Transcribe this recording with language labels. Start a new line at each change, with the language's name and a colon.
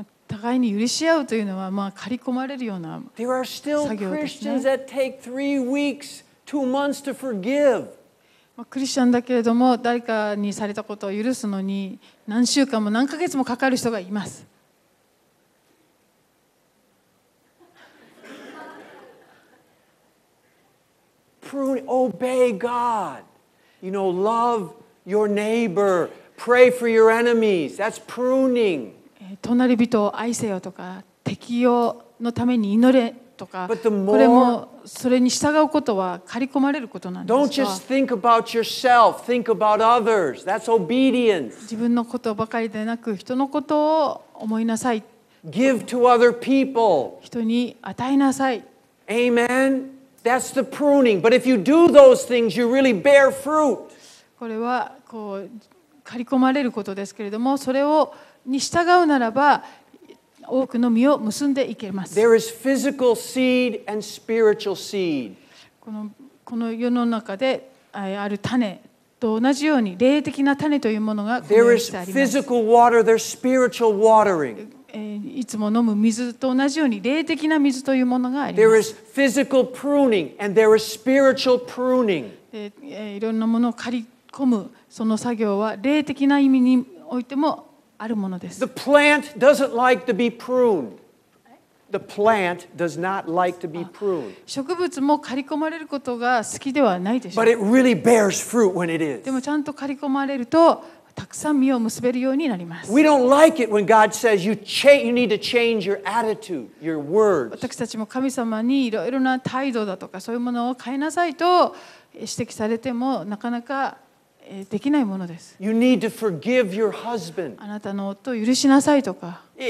Japanese: 互いに許し合うというのは、まあ、刈り込まれるような作業ですね。
English: There are still Christians that take 3 weeks, 2 months to forgive.
Japanese: クリスチャンだけれども誰かにされたことを許すのに何週間も何ヶ月もかかる人がいます。
English: Prune, obey God. You know, love your neighbor. Pray for your enemies. That's pruning.
Japanese: 隣人を愛せよとか敵のために祈れ。これもそれに従うことは刈り込まれることなんですか。
English: Don't just think about yourself, think about others. That's obedience.
Japanese: 自分のことばかりでなく人のことを思いなさい。
English: Give to other people.
Japanese: 人に与えなさい。
English: Amen. That's the pruning. But if you do those things, you really bear fruit.
Japanese: これはこう刈り込まれることですけれども、それをに従うならば。多くの実を結んでいけます。
English: There is physical seed and spiritual seed.
Japanese: この世の中である種と同じように霊的な種というものが混入してあります。
English: There is physical water, there's spiritual watering.
Japanese: いつも飲む水と同じように霊的な水というものがあります。
English: There is physical pruning and there is spiritual pruning.
Japanese: いろんなものを刈り込むその作業は霊的な意味においてもあるものです。
English: The plant doesn't like to be pruned. The plant does not like to be pruned.
Japanese: 植物も刈り込まれることが好きではないでしょう。
English: But it really bears fruit when it is.
Japanese: でもちゃんと刈り込まれるとたくさん実を結べるようになります。
English: We don't like it when God says you need to change your attitude, your words.
Japanese: 私たちも神様にいろいろな態度だとかそういうものを変えなさいと指摘されてもなかなかできないものです。
English: You need to forgive your husband.
Japanese: あなたの夫を許しなさいとか。